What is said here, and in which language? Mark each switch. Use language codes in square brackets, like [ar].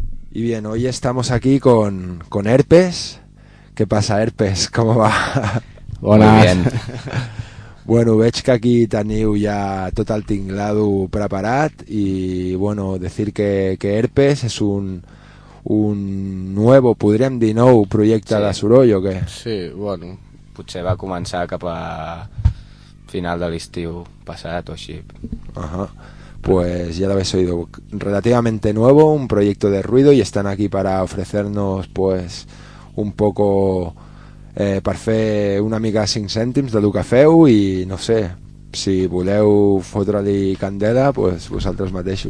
[es] Bien, hoy estamos aquí con Herpes. ¿Qué pasa, Herpes? ¿Cómo va? Hola. Muy bien. [ca] Bueno, veig que aquí teniu ja tot el tinglado preparat i, bueno, [es] decir que [ca] Herpes és un [es] nuevo, [ca] podríem dir nou, projecte, sí, de Soroll o què? Sí, bueno, potser va començar cap a final de l'estiu passat o així. [es] Pues ya lo habéis oído, relativamente nuevo, un proyecto de ruido, y están aquí para ofrecernos, pues, un poco, para hacer [ca] una mica [es] 5 céntims de lo que feu, y no sé, [ca] si voleu fotre-li candela, pues vosaltres mateixos.